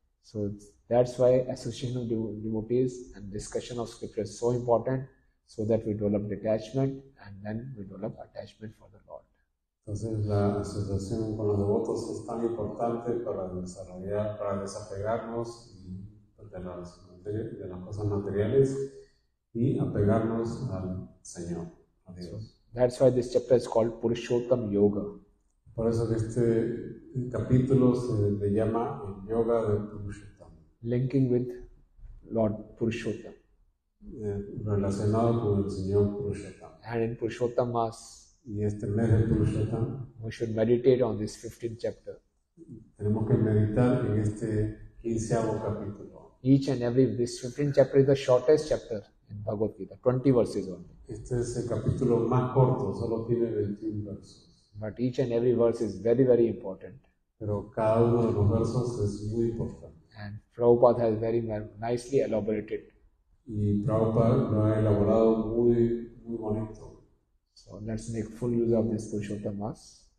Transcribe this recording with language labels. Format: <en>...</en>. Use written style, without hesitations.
<en>So that's why association of devotees and discussion of scripture is so important, so that we develop detachment and then we develop attachment for the Lord.</en> <es>Entonces la asociación con los devotos es tan importante para desarrollar, para desapegarnos de las cosas materiales y apegarnos al Señor, a Dios.</es> <en>So, that's why this chapter is called Purushottam Yoga.</en> <es>Por eso que este capítulo se llama el Yoga de Purushottam.</es> <en>Linking with Lord Purushottam.</en> <es>Relacionado con el Señor Purushottam.</es> <en>And in Purushottam Mass,</en> <es>y este mes de Purushottam,</es> <en>we should meditate on this 15th chapter.</en> <es>Tenemos que meditar en este 15º capítulo.</es> <en>Each and every, this 15th chapter is the shortest chapter in Bhagavad Gita, 20 verses only.</en> <es>Este es el capítulo más corto, solo tiene 21 versos.</es> <en>But each and every verse is very, very important.</en> <es>Pero cada uno de los versos es muy importante.</es> <en>And Prabhupada has very nicely elaborated.</en> <es>Y Prabhupada lo ha elaborado muy, muy bonito.</es> <en>So let's make full use of this Purushottam Mass.</en>